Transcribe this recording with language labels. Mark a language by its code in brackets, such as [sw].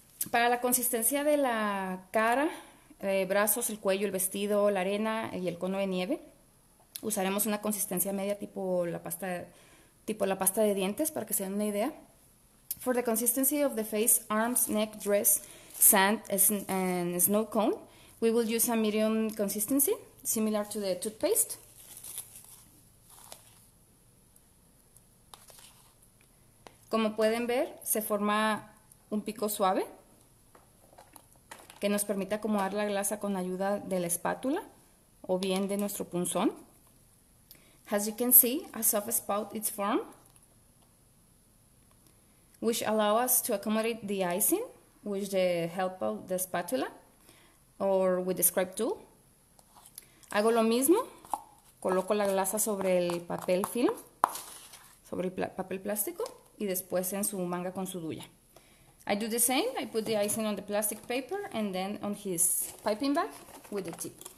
[es] Para la consistencia de la cara, brazos, el cuello, el vestido, la arena y el cono de nieve, usaremos una consistencia media tipo la pasta de dientes para que se den una idea. [en] For the consistency of the face, arms, neck, dress, sand and snow cone, we will use a medium consistency similar to the toothpaste. [es] Como pueden ver, se forma un pico suave que nos permite acomodar la grasa con ayuda de la espátula o bien de nuestro punzón. [en] As you can see, a soft spout is formed, which allows us to accommodate the icing with the help of the spatula or with the scrape tool. [es] Hago lo mismo, coloco la glasa sobre el papel film, sobre el papel plástico, y después en su manga con su duya. [en] I do the same, I put the icing on the plastic paper and then on his piping bag with the tip.